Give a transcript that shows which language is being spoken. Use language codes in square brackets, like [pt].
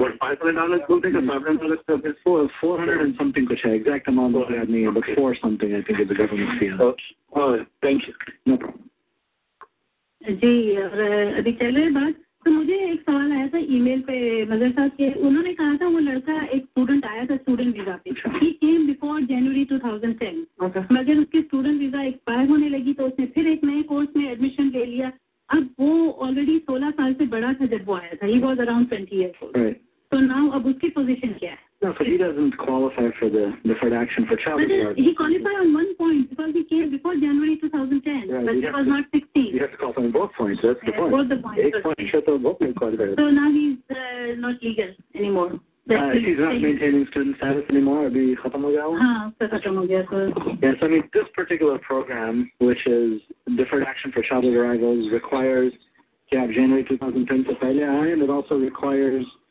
[en] What, $500 something or $500 something? $400 and something, [hi] kuch hai. [en] Exact amount, I don't know, but $400 something, I think, is the government fee. Okay. Oh, thank you. No problem. [hi] जी और अभी चल रहे बात तो मुझे एक सवाल आया था ईमेल पे मदर साहब के उन्होंने कहा था वो लड़का एक स्टूडेंट आया था स्टूडेंट वीजा पे ही [en] came before January 2010 [hi] मगर उसके स्टूडेंट वीजा एक्सपायर होने लगी तो उसने फिर एक नए कोर्स में एडमिशन ले लिया अब वो ऑलरेडी 16 साल से बड़ा था जब वो आया था [en] he was around 20 years old so now [hi] अब उसकी पोजीशन क्या है [en] No, but he doesn't qualify for the deferred action for child support. He qualified on one point because he came before January 2010, but he was not 16. He has to qualify on both points, that's the point. Both the points. So now he's not legal anymore. He's not maintaining student status anymore? Yes, I mean, this particular program, which is deferred action for child arrivals, requires January 2010, and it also requires...